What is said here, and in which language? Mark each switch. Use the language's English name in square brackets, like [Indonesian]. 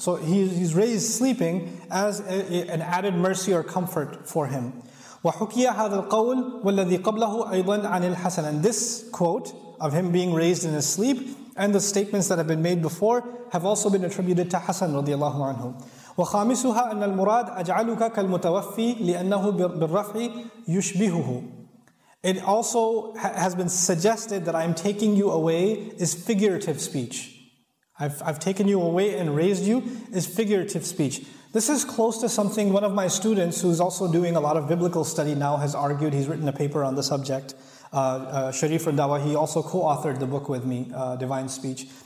[English] So he's raised sleeping as an added mercy or comfort for him. [Arabic] وَحُكِيَ هَذَا الْقَوْلُ وَالَّذِي قَبْلَهُ أَيْضًا عَنِ الْحَسَنِ. [English] And this quote of him being raised in his sleep and the statements that have been made before have also been attributed to Hassan radiallahu anhu. [Arabic] وخامسها أن المراد أجعلك كالمتوفي لأنه بالرفع يشبهه. [English] It also has been suggested that I am taking you away is figurative speech. I've taken you away and raised you is figurative speech. This is close to something one of my students, who is also doing a lot of biblical study now, has argued. He's written a paper on the subject. Sharif al-Dawah, he also co-authored the book with me, Divine Speech.